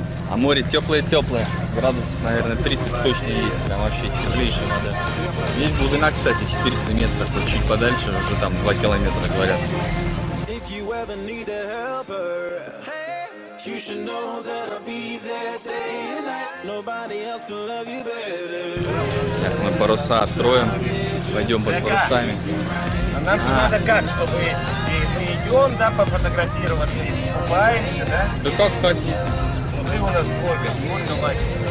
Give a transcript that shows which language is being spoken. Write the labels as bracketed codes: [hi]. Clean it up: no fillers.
[ru] А море теплое-теплое, градусов, наверное, 30 точно есть, прям вообще теплейшее надо. Есть глубина, кстати, 400 метров, вот чуть подальше, уже там 2 километра, говорят. [en] You should know that I'll be there day and night. Nobody else can love you better. [ru] Сейчас мы паруса откроем, пойдем под парусами. А нам же надо как, чтобы мы идем, да, пофотографироваться, искупаемся, да? Да как хотите. Смотри, у нас Ольга, Ольга лайков.